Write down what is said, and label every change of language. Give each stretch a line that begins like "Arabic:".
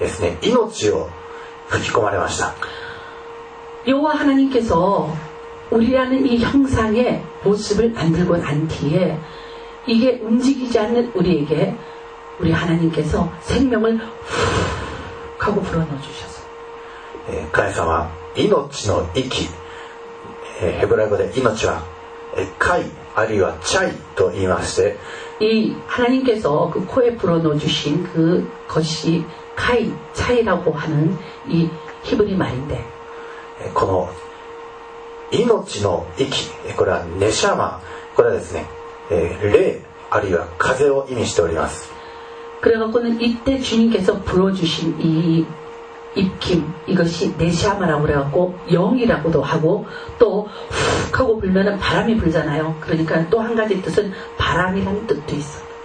Japanese: 主なる神様はその土の器にですね、命を吹き込まれました。
Korean: 여호와 하나님께서 우리라는 이 형상의 모습을 만들고 난 뒤에 이게 움직이지 않는 우리에게 우리 하나님께서 생명을 훅 하고 불어넣어 주셔서
Japanese: カイ様は命の息、ヘブライ語で命はカイ、あるいはチャイと言いまして、
Korean: 이 하나님께서 그 코에 불어넣어 주신 그 것이 카이, 차이라고 하는 이 히브리 말인데
Japanese: この命の息、これはネシャマ、これはですね、霊 あるいは風を意味しております。
Korean: 그래갖고는 이때 주님께서 불어주신 이 입김 이것이 네샤마라고 그래갖고 영이라고도 하고 또 훅 하고 불면은 바람이 불잖아요. 그러니까 또 한 가지 뜻은 바람이라는 뜻도 있어.